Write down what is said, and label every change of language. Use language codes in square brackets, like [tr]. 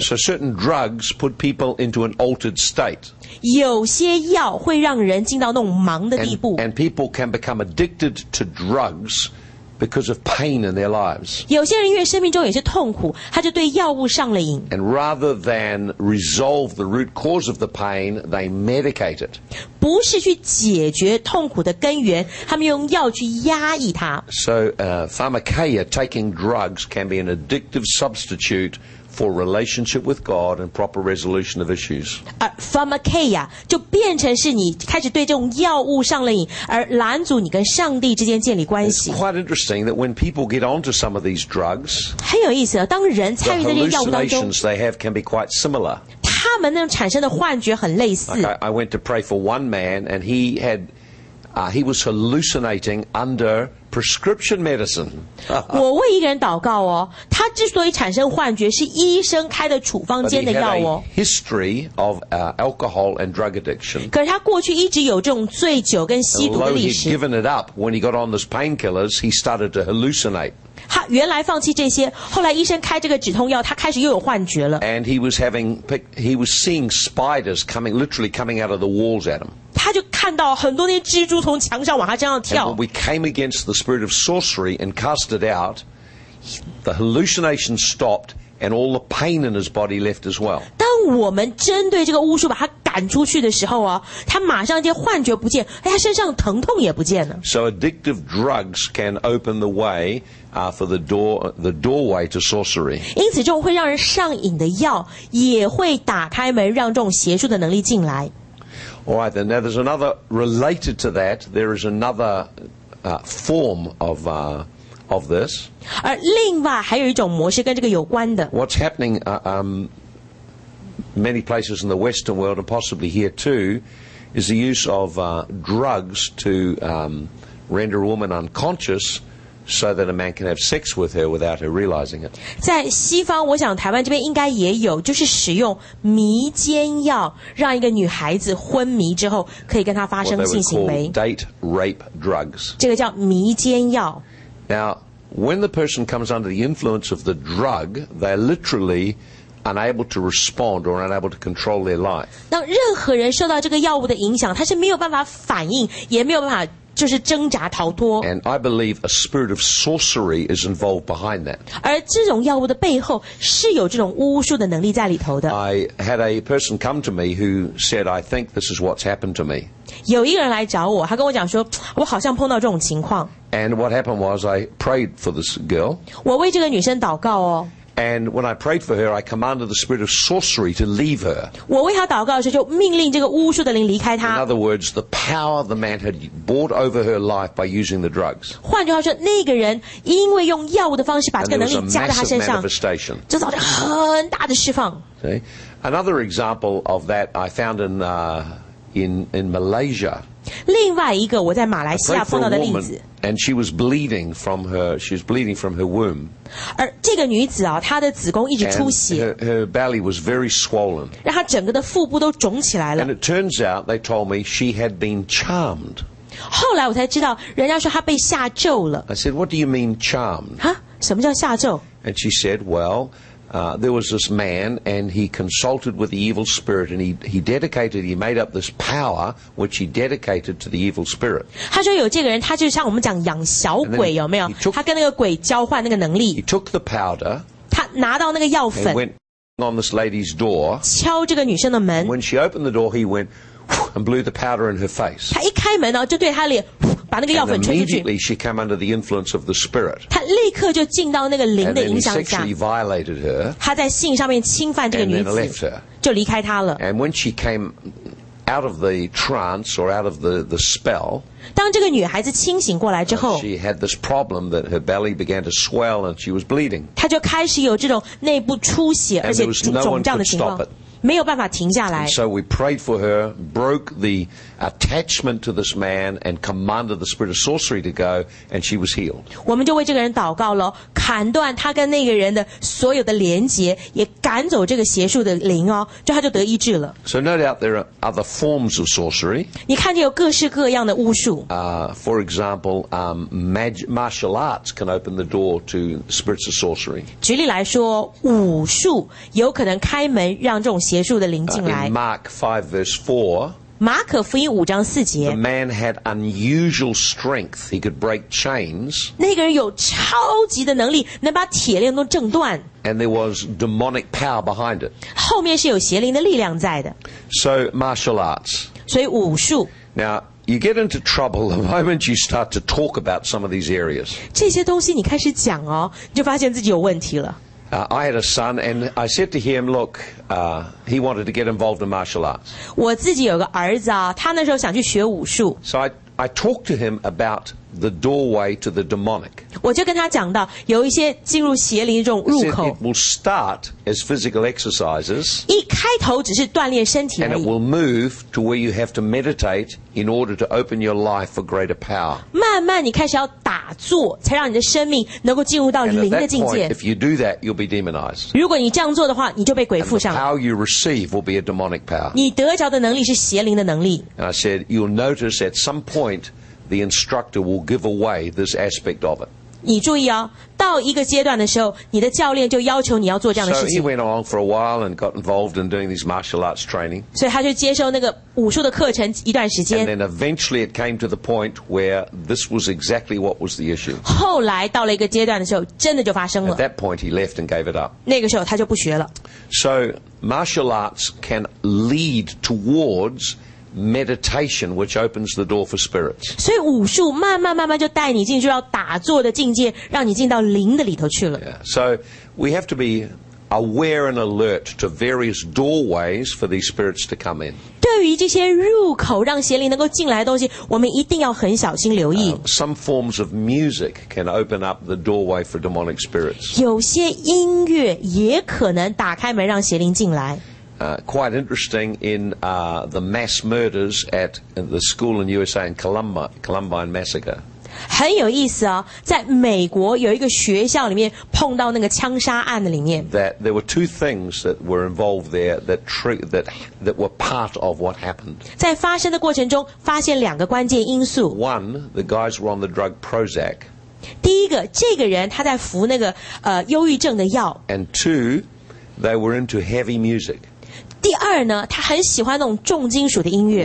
[en] So certain drugs put people into an altered state. [zh] 有些药会让人进到那种盲的地步。 [en] And people can become addicted to drugs because of pain in their lives. [zh] 有些人因为生命中有些痛苦，他就对药物上了瘾。 [en] And rather than resolve the root cause of the pain, they medicate it. [zh] 不是去解决痛苦的根源，他们用药去压抑它。 [en] So, pharmakeia, taking drugs can be an addictive substitute for relationship with God and proper resolution of issues. [zh] Pharmakeia 就变成是你开始对这种药物上了瘾，而拦阻你跟上帝之间建立关系。 [en] It's quite interesting that when people get onto some of these drugs, [zh] 很有意思，当人参与在这些药物当中 [en] ，they have can be quite similar. [zh] 他们那种产生的幻觉很类似。 [en] Okay, I went to pray for one man, and he had, he was hallucinating under prescription medicine. [zh] 我为一个人祷告哦，他之所以产生幻觉，是医生开的处方间的药哦。 [en] But he had a history of alcohol and drug addiction. [zh] 可是他过去一直有这种醉酒跟吸毒的历史。 [en] Although he'd given it up when he got on those painkillers, he started to hallucinate. [zh] 他原来放弃这些，后来医生开这个止痛药，他开始又有幻觉了。 [en] And he was seeing spiders coming, literally coming out of the walls at him. [zh] 他就看到很多那些蜘蛛从墙上往他身上跳。 [en] And when we came against the spirit of sorcery and cast it out, the hallucination stopped and all the pain in his body left as well. [zh] 当我们针对这个巫术把他赶出去的时候啊，他马上这些幻觉不见，哎，他身上疼痛也不见了。 [en] So addictive drugs can open the way. For the doorway to sorcery. [zh] 因此这种会让人上瘾的药也会打开门让这种邪术的能力进来。 [en] All right, then, now there's another, related to that, there is another form of this. [zh] 而另外还有一种模式跟这个有关的。 [en] What's happening many places in the Western world and possibly here too is the use of drugs to render a woman unconscious. So that a man can have sex with her without her realizing it. [zh] 在西方，我想台湾这边应该也有，就是使用迷奸药，让一个女孩子昏迷之后可以跟她发生性行为。 [en] What they would call date rape drugs. [zh] 这个叫迷奸药。 [en] Now, when the person comes under the influence of the drug, they're literally unable to respond or unable to control their life. [zh] 当任何人受到这个药物的影响，他是没有办法反应，也没有办法。就是挣扎逃脱。 [en] And I believe a spirit of sorcery is involved behind that. [zh] 而这种药物的背后是有这种巫术的能力在里头的。 [en] I had a person come to me who said, I think this is what's happened to me. [zh] 有一个人来找我，他跟我讲说，我好像碰到这种情况。 [en] And what happened was I prayed for this girl. [zh] 我为这个女生祷告哦。 [en] And when I prayed for her, I commanded the spirit of sorcery to leave her. [zh] 我为她祷告的时候，就命令这个巫术的灵离开她。 [en] In other words, the power the man had bought over her life by using the drugs. [zh] 换句话说，那个人因为用药物的方式把这个能力加在他身上。 [en] And there was a massive manifestation. [zh] 就造成很大的释放。 [en] See? Another example of that I found in Malaysia. [zh] 另外一个我在马来西亚碰到的例子。 [en] And she was bleeding from her. She was bleeding from her womb. [zh] 而这个女子啊，她的子宫一直出血。 [en] Her belly was very swollen. [zh] 让她整个的腹部都肿起来了。 [en] And it turns out they told me she had been charmed. [zh] 后来我才知道，人家说她被下咒了。 [en] I said, "What do you mean charmed?" [zh] 哈，什么叫下咒 [en] ？And she said, "Well, there was this man, and he consulted with the evil spirit, and he made up this power, which he dedicated to the evil spirit." [zh] 他说有这个人，他就像我们讲养小鬼，有没有？ [en] Took, [zh] 他跟那个鬼交换那个能力。 [en] He took the powder. [zh] 他拿到那个药粉。 [en] And went on this lady's door. [zh] 敲这个女生的门。 [en] And when she opened the door, he went and blew the powder in her face. [zh] 他一开门呢，就对她脸。把那个药粉吹出去。 [en] And immediately she came under the influence of the spirit. [zh] 她立刻就进到那个灵的影响下。 [en] And then he sexually violated her. [zh] 她在性上面侵犯这个女子。 [en] And then left her. [zh] 就离开她了。 [en] And when she came out of the trance or out of the spell. [zh] 当这个女孩子清醒过来之后。 [en] She had this problem that her belly began to swell and she was bleeding. [zh] 她就开始有这种内部出血而且肿胀的情况。 [en] And there was no one could stop it. [zh] 没有办法停下来。 [en] And so we prayed for her, broke the attachment to this man, and commanded the spirit of sorcery to go, and she was healed. [zh] 我们就为这个人祷告了，砍断他跟那个人的所有的连结，也赶走这个邪术的灵哦，就他就得医治了。 [en] So no doubt there are other forms of sorcery. [zh] 你看见有各式各样的巫术。 [en] For example, martial arts can open the door to spirits of sorcery. [zh] 举例来说，武术有可能开门让这种邪术的灵进来。 [en] In Mark 5 verse 4, [zh] 马可福音五章四节 [en] The man had unusual strength. He could break chains. [zh] 那个人有超级的能力，能把铁链都挣断。 [en] And there was demonic power behind it. [zh] 后面是有邪灵的力量在的。 [en] So martial arts. [zh] 所以武术。 [en] Now you get into trouble the moment you start to talk about some of these areas. [zh] 这些东西你开始讲哦，你就发现自己有问题了。 [en] I had a son, and I said to him, look, he wanted to get involved in martial arts. [zh] 我自己有个儿子啊，他那时候想去学武术。 [en] So I talked to him about the doorway to the demonic. [zh] 我就跟他讲到，有一些进入邪灵这种入口。 [en] He said it will start as physical exercises. [zh] 一开头只是锻炼身体而已。 [en] And it will move to where you have to meditate in order to open your life for greater power. [zh] 慢慢你开始要打坐，才让你的生命能够进入到灵的境界。 [en] And at that point, if you do that, you'll be demonized. [zh] 如果你这样做的话，你就被鬼附上。 [en] And the power you receive will be a demonic power. [zh] 你得着的能力是邪灵的能力。 [en] And I said, you'll notice at some point,The instructor will give away this aspect of it. [zh] 你注意哦，到一个阶段的时候，你的教练就要求你要做这样的事情。 [en] So he went along for a while and got involved in doing these martial arts training. [zh] 所以他就接受那个武术的课程一段时间。 [en] And then eventually it came to the point where this was exactly what was the issue. [zh] 后来到了一个阶段的时候，真的就发生了。 [en] At that point he left and gave it up. [zh] 那个时候他就不学了。 [en] So martial arts can lead towards. Meditation, which opens the door for spirits. [zh] 所以武术慢慢慢慢就带你进去要打坐的境界，让你进到灵的里头去了。 [en] So we have to be aware and alert to various doorways for these spirits to come in. [zh] 对于这些入口让邪灵能够进来的东西，我们一定要很小心留意。 [en] Some forms of music can open up the doorway for demonic spirits. [zh] 有些音乐也可能打开门让邪灵进来。 [en] Quite interesting in the mass murders at the school in USA in Columbine Massacre. [zh] 很有意思哦，在美国有一个学校里面碰到那个枪杀案的里面。 [en] That there were two things that were involved there that were part of what happened. [zh] 在发生的过程中，发现两个关键因素。 [en] One, the guys were on the drug Prozac. [zh] 第一个，这个人他在服那个忧郁症的药。 [en] And two, they were into heavy music. [zh] 第二呢，他很喜欢那种重金属的音乐。